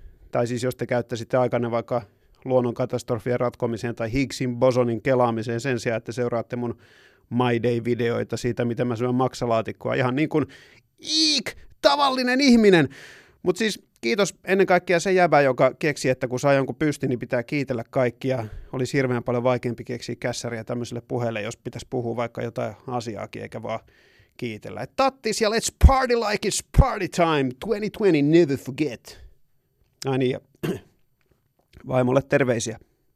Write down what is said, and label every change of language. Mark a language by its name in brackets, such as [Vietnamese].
[Finnish] Tai siis jos te käyttäisitte aikanne vaikka luonnonkatastrofien ratkomiseen tai Higgsin bosonin kelaamiseen sen sijaan, että seuraatte mun My Day-videoita siitä, miten mä syön maksalaatikkoa. Ihan niin kuin iik, tavallinen ihminen. Mutta siis kiitos ennen kaikkea se jäbä, joka keksi, että kun saa jonkun pysty, niin pitää kiitellä kaikkia. Olisi hirveän paljon vaikeampi keksiä kässäriä tämmöiselle puheelle, jos pitäisi puhua vaikka jotain asiaakin, eikä vaan kiitellä. Et tattis ja [English] let's party like it's party time. [Finnish] 2020, [English] never forget. [Finnish] Ai niin, ja vaimolle terveisiä.